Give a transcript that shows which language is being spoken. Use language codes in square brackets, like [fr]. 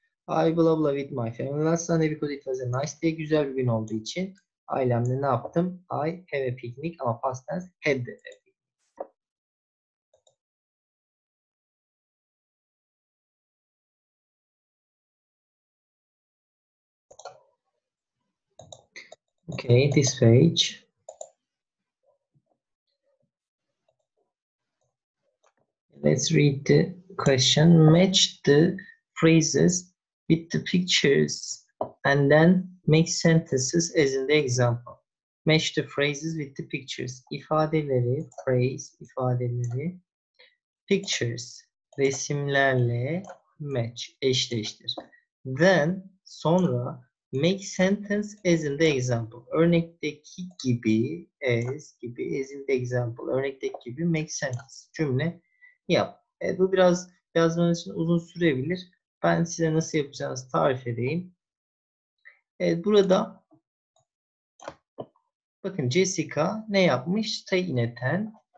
[en] I blah blah with my family last Sunday because it was a nice day. [tr] Güzel bir gün olduğu için ailemle ne yaptım? [en] I have a picnic [tr] ama [en] past tense had the picnic. Okay, this page. Let's read the question. Match the phrases with the pictures and then make sentences as in the example. Match the phrases with the pictures. [tr] İfadeleri, phrase, ifadeleri, pictures, resimlerle match, eşleştir. [en] Then, [tr] sonra [en] make sentence as in the example. [tr] Örnekteki gibi, as gibi, [en] as in the example. [tr] Örnekteki gibi [en] make sentence, [tr] cümle yap. Bu biraz yazmanız için uzun sürebilir. Ben size nasıl yapacağınızı tarif edeyim. Evet, burada bakın Jessica ne yapmış? [en] Stay in a tent.